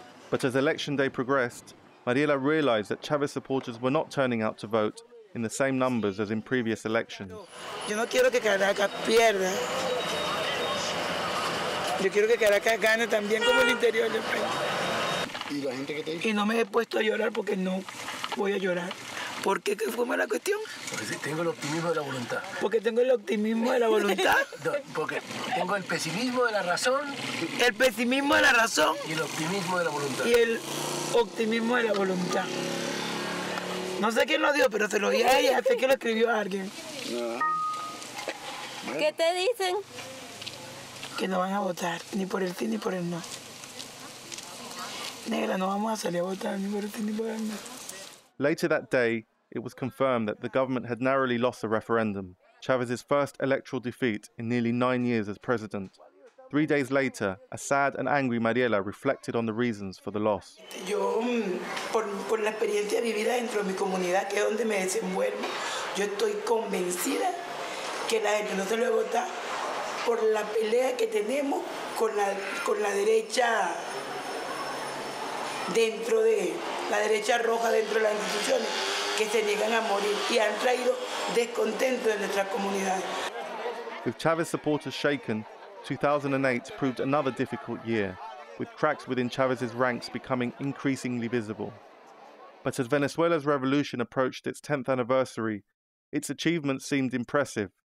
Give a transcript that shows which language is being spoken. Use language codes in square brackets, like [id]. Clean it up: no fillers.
[en] But as election day progressed, Mariela realized that Chavez supporters were not turning out to vote in the same numbers as in previous elections. [es] Yo no quiero que Caracas pierda. Yo quiero que Caracas gane también como el interior del país. ¿Y la gente que te dice? Y no me he puesto a llorar porque no voy a llorar. ¿Por qué? ¿Qué fue la cuestión? Porque tengo el optimismo de la voluntad. Porque tengo el optimismo de la voluntad. No, porque tengo el pesimismo de la razón. El pesimismo de la razón. Y el optimismo de la voluntad. Y el optimismo de la voluntad. No sé quién lo dio, pero se lo di a ella, sé que lo escribió a alguien. ¿Qué te dicen? Que no van a votar, ni por el sí ni por el no. Negra, no vamos a salir a votar ni por el sí ni por el no. [en] Later that day, it was confirmed that the government had narrowly lost the referendum, Chavez's first electoral defeat in nearly 9 years as president. 3 days later, a sad and angry Mariela reflected on the reasons for the loss. [es] Yo, por la experiencia vivida dentro de mi comunidad, que es donde me desenvuelvo, yo estoy convencida que la gente no se lo va a votar por la pelea que tenemos con la derecha dentro de la derecha roja dentro de las instituciones que se niegan a morir y han traído descontento en nuestra comunidad. [en] With Chavez supporters shaken, 2008 proved another difficult year, with cracks within Chavez's ranks becoming increasingly visible. But as Venezuela's revolution approached its 10th anniversary, its achievements seemed impressive.